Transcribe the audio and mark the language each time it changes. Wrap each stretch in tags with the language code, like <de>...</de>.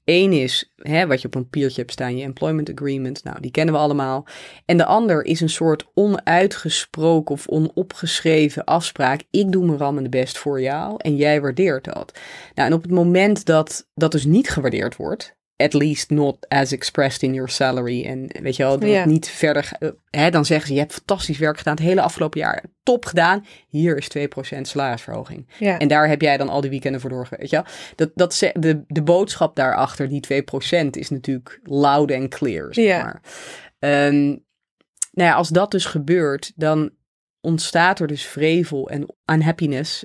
<nl>Eén is, hè, wat je op een papiertje hebt staan, je</nl> <en>employment agreement.</en> <nl>Nou, die kennen we allemaal. En de ander is een soort onuitgesproken of onopgeschreven afspraak. Ik doe mijn rammende best voor jou en jij waardeert dat. Nou, en op het moment dat dus niet gewaardeerd wordt,</nl> <en>at least not as expressed in your salary.</en> <nl>En weet je wel, dat het niet verder... dan zeggen ze, je hebt fantastisch werk gedaan. Het hele afgelopen jaar top gedaan. Hier is 2% salarisverhoging. Ja. En daar heb jij dan al die weekenden voor doorgewerkt. Weet je wel? De boodschap daarachter, die 2%, is natuurlijk</nl> <en>loud and clear.</en> <nl>Zeg maar. Nou ja, als dat dus gebeurt, dan ontstaat er dus wrevel en unhappiness.</nl>